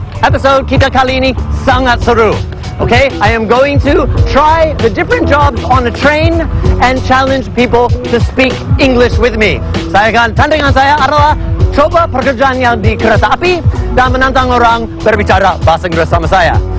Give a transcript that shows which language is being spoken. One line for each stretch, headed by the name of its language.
Indonesian: Episode kita kali ini sangat seru.
English: Okay, I am going to try the different jobs on a train and challenge people to speak English with me.
Indonesian: Saya akan tandingan saya adalah coba pekerjaan yang di kereta api dan menantang orang berbicara bahasa Inggris sama saya.